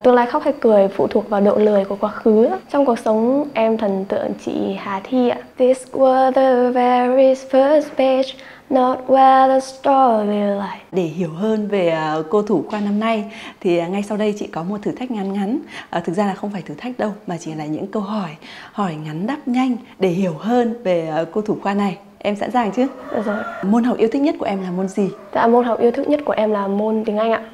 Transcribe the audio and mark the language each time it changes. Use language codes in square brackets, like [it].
[vi] Tương lai khóc hay cười phụ thuộc vào độ lười của quá khứ. Trong cuộc sống em thần tượng chị Hà Thi ạ. [en] This was the very first page, not where the story lies. [vi] Để hiểu hơn về cô thủ khoa năm nay thì ngay sau đây chị có một thử thách ngắn ngắn. Thực ra là không phải thử thách đâu, mà chỉ là những câu hỏi, hỏi ngắn đáp nhanh để hiểu hơn về cô thủ khoa này. Em sẵn sàng chứ? Được rồi. Môn học yêu thích nhất của em là môn gì? Dạ, môn học yêu thích nhất của em là môn tiếng Anh ạ.